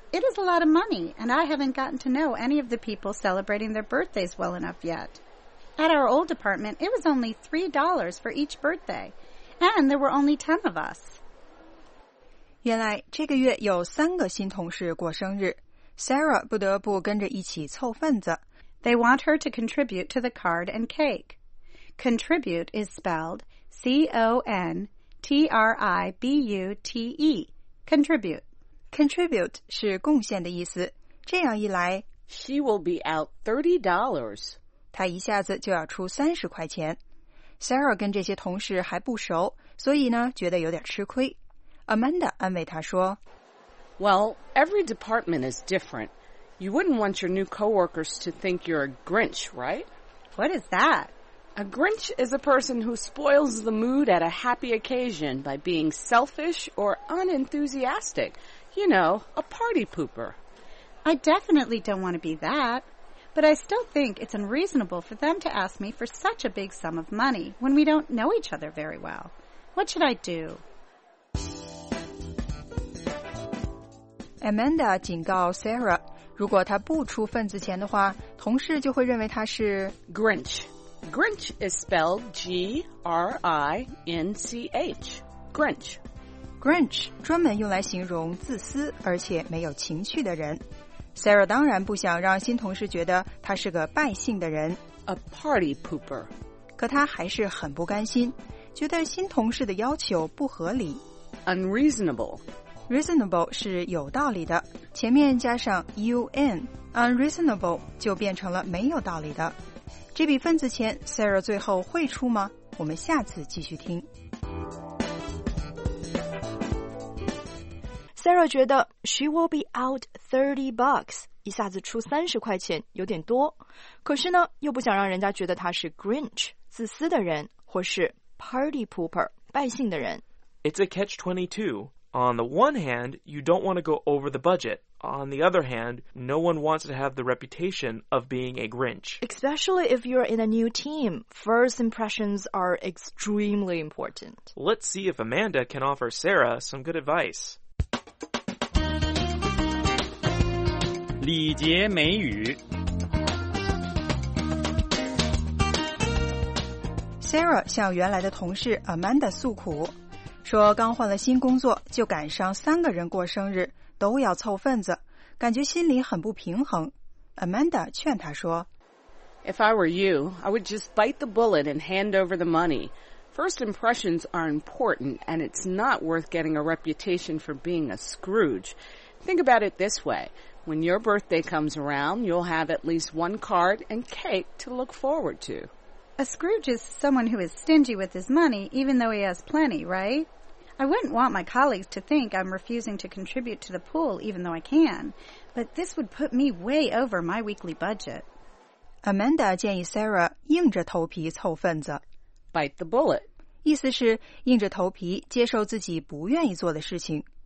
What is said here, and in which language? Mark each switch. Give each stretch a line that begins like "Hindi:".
English: It is a lot of money, and I haven't gotten to know any of the people celebrating their birthdays well enough yet. At our old department, it was only $3 for each birthday, and there were only 10 of us.
Chinese: 原来这个月有三个新同事过生日， Sarah 不得不跟着一起凑份子。
English: They want her to contribute to the card and cake. Contribute is spelled C-O-N-T-R-I-B-U-T-E. Contribute.
Chinese: Contribute 是贡献的意思，这样一来
English: She will be out $30.
Chinese: 她一下子就要出30块钱。 Sarah 跟这些同事还不熟，所以呢觉得有点吃亏。 Amanda 安慰她说，
English: Well, every department is different. You wouldn't want your new coworkers to think you're a Grinch, right? What is that? A Grinch is a person who spoils the mood at a happy occasion by being selfish or unenthusiastic. You know, a party pooper. I definitely don't want to be that. But I still think it's unreasonable for them to ask me for such a big sum of money when we don't know each other very well. What should I do?
Chinese: Amanda 警告 Sarah， 如果她不出份子钱的话，同事就会认为她是
English: Grinch。 Grinch is spelled G-R-I-N-C-H. Grinch.
Chinese: Grinch 专门用来形容自私而且没有情趣的人。 Sarah 当然不想让新同事觉得她是个败兴的人。
English: A party pooper.
Chinese: 可她还是很不甘心，觉得新同事的要求不合理。
English: Unreasonable.
Chinese: Reasonable 是有道理的，前面加上 un， unreasonable 就变成了没有道理的。这笔份子钱 Sarah 最后会出吗？我们下次继续听。 Sarah 觉得
English: she will be out 30 bucks，
Chinese: 一下子出30块钱有点多，可是呢又不想让人家觉得她是 Grinch 自私的人，或是 party pooper 败兴的人。
English: It's a catch 22. On the one hand, you don't want to go over the budget. On the other hand, no one wants to have the reputation of being a Grinch. Especially if you're in a new team, first impressions are extremely important. Let's see if Amanda can offer Sarah some good advice.
Chinese: 礼节美语。 Sarah 向原来的同事 Amanda 诉苦，说刚换了新工作就赶上三个人过生日，都要凑份子，感觉心里很不平衡。 Amanda 劝他说，
English: If I were you, I would just bite the bullet and hand over the money. First impressions are important, and it's not worth getting a reputation for being a Scrooge. Think about it this way. When your birthday comes around, you'll have at least one card and cake to look forward to. A Scrooge is someone who is stingy with his money, even though he has plenty, right? I wouldn't want my colleagues to think I'm refusing to contribute to the pool, even though I can. But this would put me way over my weekly budget.
Chinese: Amanda 建议 Sarah 硬着头皮凑份子。
English: Bite the bullet.
Chinese: 意思是硬着头皮接受自己不愿意做的事情。